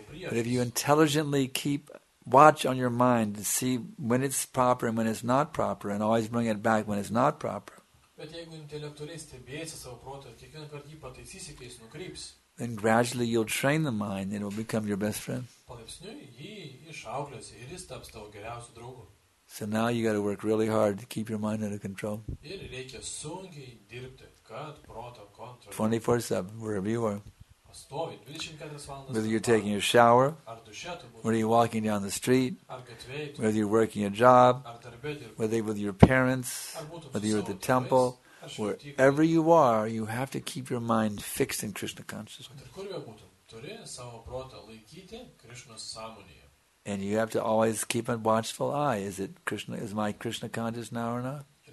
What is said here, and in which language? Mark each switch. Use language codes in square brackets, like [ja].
[en] But if you intelligently keep watch on your mind to see when it's proper and when it's not proper and always bring it back when it's not proper, [lt] bet jeigu intelektualiai stebėsi savo protą ir kiekvieną kartą jį pataisysi, kai jis nukryps, [en] then gradually you'll train the mind and it will become your best friend. [lt] Palaipsniui jį išauklėsi ir jis taps tavo geriausiu draugu. [en] So now you got to work really hard to keep your mind under control. [lt] Ir reikia sunkiai dirbti, kad protą kontroliuoti. [en] 24/7, wherever you are. [lt] Pastovi 24 valandas. [en] Whether you're taking a shower, [lt] ar duše tu būsi, [en] whether you're walking down the street, [lt] ar gatvėj, [en] whether you're working a job, [lt] ar darbe dirbi, [en] whether you're with your parents, [lt] ar būtum, [en] whether you're at the temple, wherever you are, you have to keep your mind fixed in Krishna consciousness. [lt] Kur bebūtum, turi savo protą laikyti Krishnos sąmonėje. [en] And you have to always keep a watchful eye. Is it Krishna? Is my Krishna conscious now or not?